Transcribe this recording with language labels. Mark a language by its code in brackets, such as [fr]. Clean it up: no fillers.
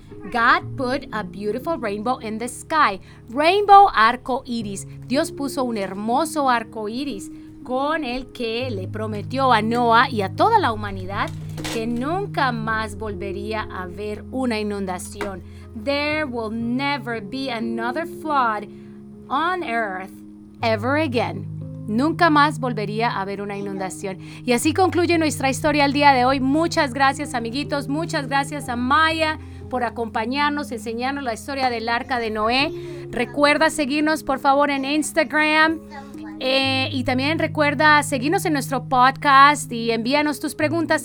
[en] God put a beautiful rainbow in the sky. [es] Rainbow, arco iris. Dios puso un hermoso arco iris con el que le prometió a Noah y a toda la humanidad que nunca más volvería a haber una inundación. [en] There will never be another flood on earth ever again. [es] Nunca más volvería a haber una inundación. Y así concluye nuestra historia el día de hoy. Muchas gracias, amiguitos. Muchas gracias a Maya por acompañarnos, enseñarnos la historia del Arca de Noé. Recuerda seguirnos, por favor, en Instagram. Y también recuerda seguirnos en nuestro podcast y envíanos tus preguntas.